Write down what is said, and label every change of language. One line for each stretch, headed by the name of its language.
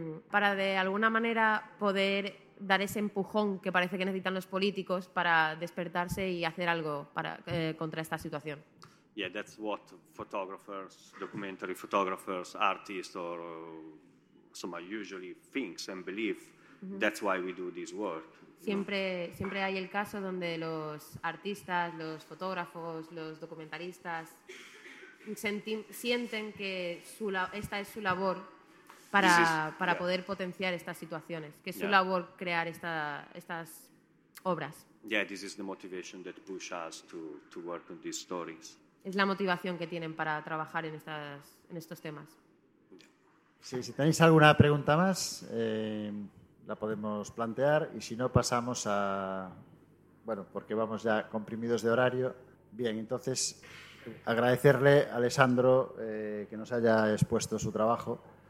Spanish: Para de alguna manera poder dar ese empujón que parece que necesitan los políticos para despertarse y hacer algo contra esta situación.
English: Yeah, that's what photographers, documentary photographers, artists, or some usually thinks and believe. Mm-hmm. That's why we do this work.
Spanish: Siempre hay el caso donde los artistas, los fotógrafos, los documentaristas sienten que esta es su labor para poder potenciar estas situaciones, que es su labor crear estas obras.
English: Yeah, this is the motivation that push us to work on these stories.
Spanish: es la motivación que tienen para trabajar en estas, en estos temas. Sí, si tenéis alguna pregunta más, la podemos plantear, y si no pasamos a, bueno, porque vamos ya comprimidos de horario. Bien, entonces agradecerle a Alessandro que nos haya expuesto su trabajo.